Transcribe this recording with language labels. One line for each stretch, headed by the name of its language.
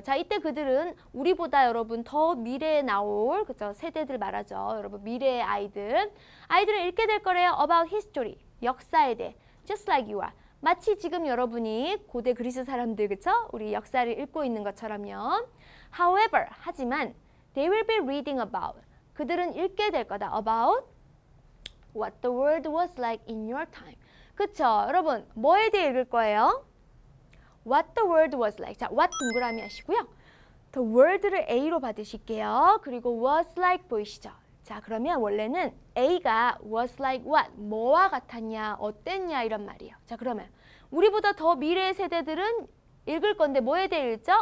Korean: 자, 이때 그들은 우리보다 여러분 더 미래에 나올 그렇죠? 세대들 말하죠. 여러분 미래의 아이들. 아이들은 읽게 될 거래요.
English: About history.
Korean: 역사에 대해.
English: Just like you are.
Korean: 마치 지금 여러분이 고대 그리스 사람들 그렇죠? 우리 역사를 읽고 있는 것처럼요.
English: However,
Korean: 하지만
English: they will be reading about.
Korean: 그들은 읽게 될 거다.
English: About what the world was like in your time.
Korean: 그렇죠? 여러분 뭐에 대해 읽을 거예요?
English: What the world was like. 자, what
Korean: 동그라미 하시고요.
English: The world를
Korean: A로 받으실게요. 그리고 was like 보이시죠? 자, 그러면 원래는 A가
English: was like what?
Korean: 뭐와 같았냐, 어땠냐 이런 말이에요. 자, 그러면 우리보다 더 미래의 세대들은 읽을 건데 뭐에 대해 읽죠?